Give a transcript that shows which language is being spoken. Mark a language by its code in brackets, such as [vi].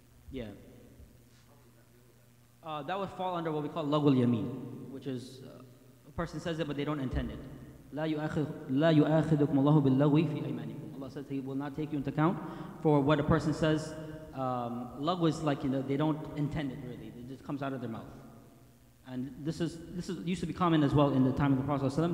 [en] Yeah. That would fall under what we call lagul yameen, which is a person says it but they don't intend it. [ar] لا يؤاخذكم الله باللغو في أيمانكم. [en] Allah says He will not take you into account for what a person says. Lagu is like, you know, they don't intend it really. It just comes out of their mouth. And this used to be common as well in the time of the Prophet.